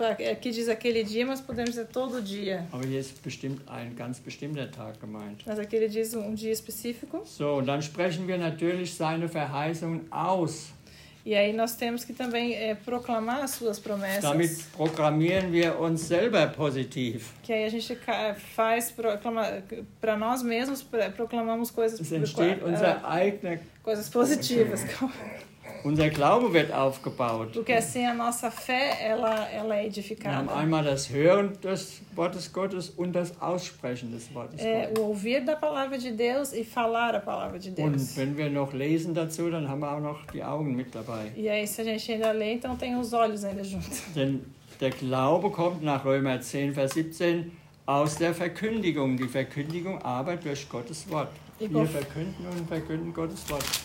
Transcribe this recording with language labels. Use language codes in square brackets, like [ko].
[pt] Aqui diz aquele dia, mas podemos dizer todo dia. [de] Aber hier ist bestimmt ein ganz bestimmter Tag gemeint. [pt] Mas aquele dia ist um dia específico. [de] So, und dann sprechen wir natürlich seine Verheißungen aus. [pt] E aí nós temos que também proclamar as suas promessas. [de] Damit programmieren wir uns selber positiv. [pt] Que aí a gente faz para nós mesmos, proclamamos coisas positivas. [de] Es entsteht unser eigener... [pt] Coisas positivas. Okay. [de] Unser Glaube wird aufgebaut. [pt] Porque assim a nossa fé, ela é edificada. [de] Wir haben einmal das Hören des Wortes Gottes und das Aussprechen des Wortes Gottes. [pt] O ouvir da palavra de Deus e falar a palavra de Deus. [de] Und wenn wir noch lesen dazu, dann haben wir auch noch die Augen mit dabei. [pt] E aí, se a gente ainda lê, então tem os olhos ainda junto. [de] Denn der Glaube kommt nach Römer 10, Vers 17 aus der Verkündigung. Die Verkündigung aber durch Gottes Wort. Wir verkünden und verkünden Gottes Wort.